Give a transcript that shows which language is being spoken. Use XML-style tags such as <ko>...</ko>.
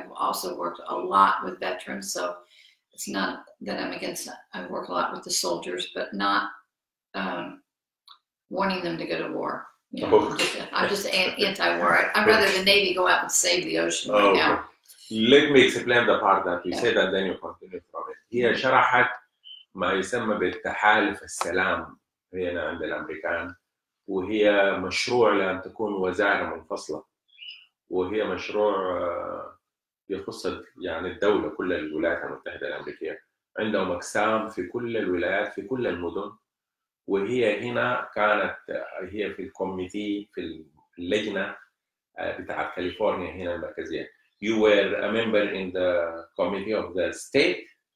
<en>I've also worked a lot with veterans, so it's not that I'm against that. I work a lot with the soldiers, but not wanting them to go to war. You know, okay. I'm just anti-war. I'd rather the Navy go out and save the ocean right now. Let me explain the part that you said, and then you continue from it.</en> <ar>هي شرحت ما يسمى بالتحالف السلام هنا عند الأمريكان، وهي مشروع لأن تكون وزارة منفصلة، وهي مشروع يخص يعني الدولة، كل الولايات المتحدة الأمريكية عندهم أقسام في كل الولايات في كل المدن. وهي هنا كانت هي في الكوميتي في اللجنة بتاع كاليفورنيا هنا المركزية.</ar> <en>You were a member in the committee of the state.</en>